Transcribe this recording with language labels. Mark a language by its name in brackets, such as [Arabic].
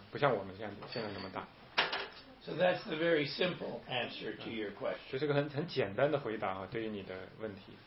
[Chinese] 但这样的事呢，在圣经描述的最早期呢，并没有这种状况，因为他们还早啊，所以他们基因的麻烦没有，不像我们现在那么大。 [English] So that's the very simple answer to your question. [Chinese] 这是个很简单的回答啊，对于你的问题。